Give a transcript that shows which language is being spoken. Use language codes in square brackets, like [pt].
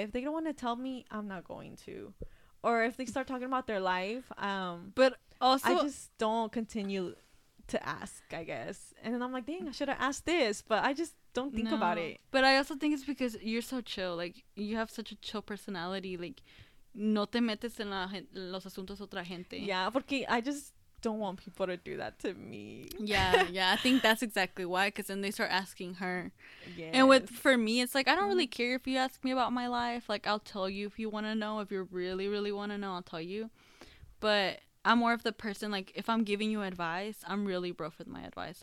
[en] If they don't want to tell me, I'm not going to. Or if they start talking about their life, but also I just don't continue to ask, I guess. And then I'm like, dang, I should have asked this, but I just don't think about it. But I also think it's because you're so chill. Like, you have such a chill personality. [es] Like, no te metes en los asuntos otra gente. [en] Yeah, porque I just don't want people to do that to me. Yeah, yeah. I think that's exactly why, because then they start asking her. Yes. And with, for me, it's like, I don't really care if you ask me about my life. Like, I'll tell you if you want to know. If you really, really want to know, I'll tell you. But I'm more of the person, like, if I'm giving you advice, I'm really rough with my advice.